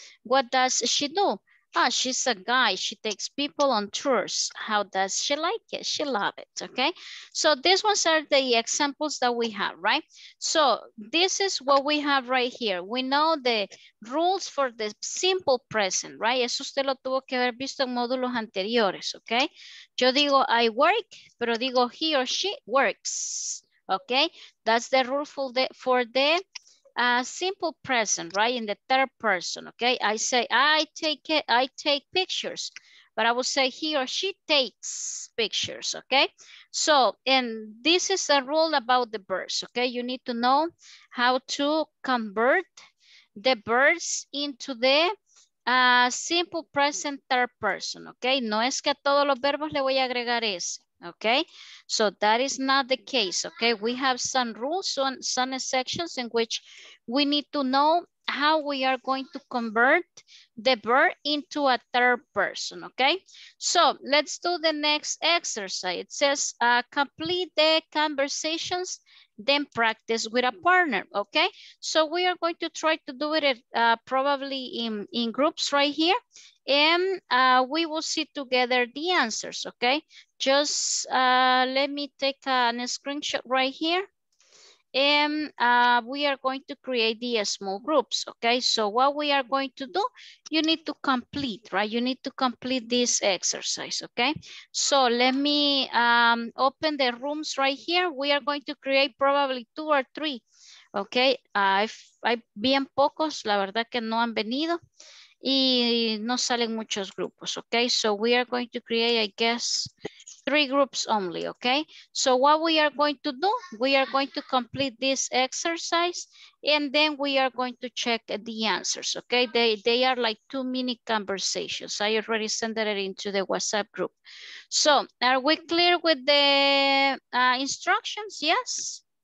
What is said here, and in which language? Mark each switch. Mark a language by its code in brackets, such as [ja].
[en] What does she do? Oh, she's a guide. She takes people on tours. How does she like it? She loves it, okay? So these ones are the examples that we have, right? So this is what we have right here. We know the rules for the simple present, right? [es] Eso usted lo tuvo que haber visto en módulos anteriores, okay? Yo digo, [en] I work, [es] pero digo, [en] he or she works, okay? That's the rule for the simple present, right? In the third person, okay? I say, I take pictures, but I will say he or she takes pictures, okay? So, and this is a rule about the birds, okay? You need to know how to convert the birds into the simple present third person, okay? [es] No es que a todos los verbos le voy a agregar ese. [en] Okay, so that is not the case. Okay, we have some rules on some sections in which we need to know how we are going to convert the verb into a third person. Okay, so let's do the next exercise. It says complete the conversations, then practice with a partner. Okay, so we are going to try to do it probably in groups right here, and we will see together the answers. Okay, just let me take a screenshot right here, and we are going to create the small groups. Okay, so what we are going to do, you need to complete, right? You need to complete this exercise. Okay, so let me open the rooms right here. We are going to create probably two or three. [es] Okay, hay bien pocos, la verdad que no han venido y no salen muchos grupos. [en] Okay, so we are going to create, I guess, three groups only, okay? So what we are going to do, we are going to complete this exercise and then we are going to check the answers, okay? They are like two mini conversations. I already sent it into the WhatsApp group. So are we clear with the instructions? Yes?